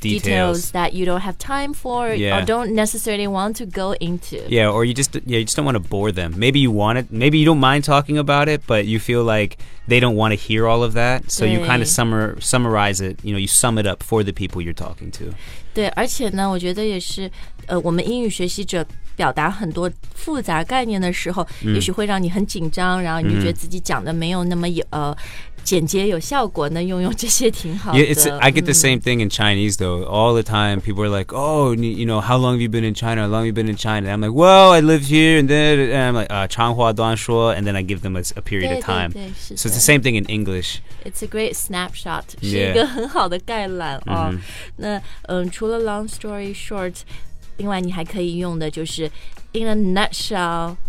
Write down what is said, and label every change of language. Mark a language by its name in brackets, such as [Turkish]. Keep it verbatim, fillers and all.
[English] Details. details that you don't have time for Yeah. or don't necessarily want to go into. Yeah, or you just yeah you just don't want to bore them. Maybe you want it. Maybe you don't mind talking about it, but you feel like they don't want to hear all of that. So you kind of summar summarize it. You know, you sum it up for the people you're talking to. [Chinese] 对，而且呢，我觉得也是，呃，我们英语学习者表达很多复杂概念的时候，也许会让你很紧张，然后你就觉得自己讲的没有那么有呃简洁有效果，那用用这些挺好的。 [English] Yeah, it's I get the same thing in Chinese though. All the time, people are like, "Oh, n- you know, how long have you been in China? How long have you been in China?" And I'm like, "Well, I live here," and then and I'm like, uh, "Changhua Duanshuo," and then I give them a, s- a period [Chinese] 对 [English] of time. [Chinese] 对，是 [English] So [Chinese] 的 [English] it's the same thing in English. It's a great snapshot， 是 Yeah. [Chinese] 一个很好的概览啊、那嗯，除了 [English] long story short， [Chinese] 另外你还可以用的就是 [English] in a nutshell。